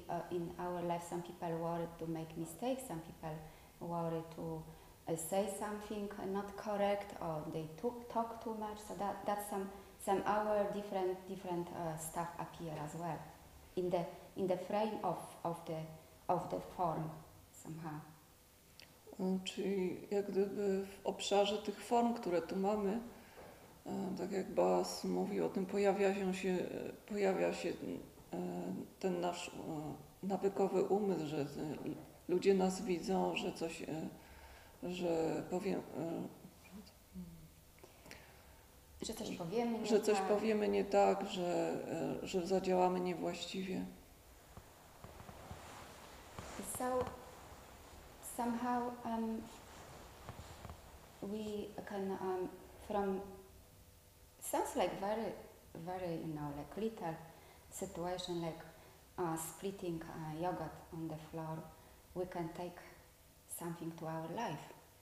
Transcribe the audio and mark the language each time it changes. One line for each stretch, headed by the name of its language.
English: in our life some people worry to make mistakes, some people worry to say something not correct, or they talk too much, so that's some our different stuff appear as well in the frame of the form somehow.
Polish: Czyli jak gdyby w obszarze tych form, które tu mamy, tak jak Boas mówi o tym, pojawia się ten nasz nawykowy umysł, że ludzie nas widzą, że coś, że powiem, że coś powiemy nie, że coś powiemy nie tak, że zadziałamy niewłaściwie.
English: Somehow we can from sounds like very very, you know, like little situation like splitting yogurt on the floor, we can take something to our life.